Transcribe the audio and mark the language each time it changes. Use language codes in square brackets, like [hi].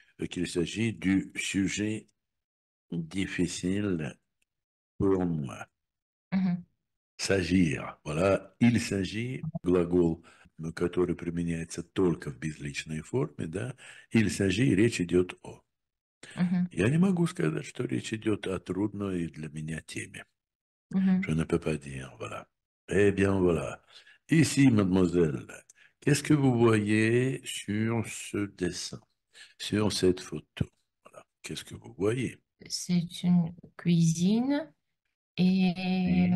[fr] Qu'il s'agit du sujet difficile pour moi. S'agir, voilà, il s'agit, [ru] глагол, который применяется только в безличной форме, да, [fr] il s'agit, [ru] речь идет о. Я не могу сказать, что речь идет о трудной для меня теме. [fr] Je ne peux pas dire, voilà. Eh bien, voilà. Ici, mademoiselle, qu'est-ce que vous voyez sur ce dessin? Sur cette photo, voilà. Qu'est-ce que vous voyez? C'est une cuisine et